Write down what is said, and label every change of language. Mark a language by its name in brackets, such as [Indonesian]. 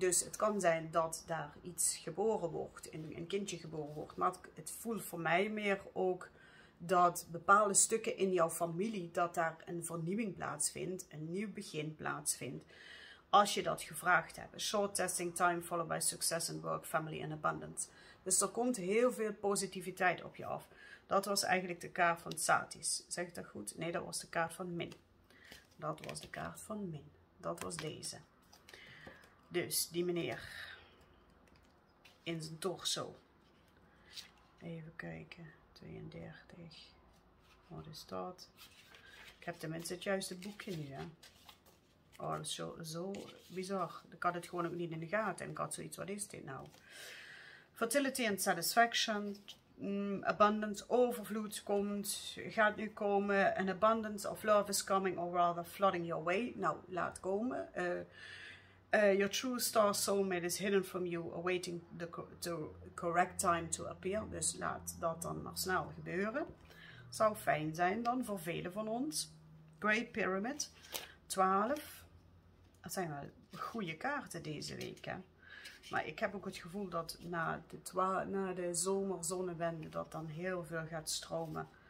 [Dutch] Dus het kan zijn dat daar iets geboren wordt, een kindje geboren wordt. Maar het voelt voor mij meer ook dat bepaalde stukken in jouw familie, dat daar een vernieuwing plaatsvindt, een nieuw begin plaatsvindt, als je dat gevraagd hebt. [English] Short testing time followed by success and work, family and abundance. [Dutch] Dus er komt heel veel positiviteit op je af. Dat was eigenlijk de kaart van Satis. Zeg ik dat goed? Nee, dat was de kaart van Min. Dat was de kaart van Min. Dat was deze. Dus, die meneer. In zijn torso. Even kijken. 32. Wat is dat? Ik heb tenminste het juiste boekje nu, hè. Oh, dat is zo bizar. Ik had het gewoon ook niet in de gaten. Ik had zoiets, wat is dit nou? [English] Fertility and satisfaction. [Dutch] Abundance, overvloed komt, gaat nu komen. [English] An abundance of love is coming, or rather flooding your way. [Dutch] Nou, laat komen. [English] Your true star soulmate is hidden from you, awaiting the correct time to appear. [Dutch] Dus laat dat dan maar snel gebeuren. Zou fijn zijn dan voor velen van ons. Great Pyramid, 12. Dat zijn wel goede kaarten deze week, hè. Maar ik heb ook het gevoel dat na de zomerzonnewende dat dan heel veel gaat stromen.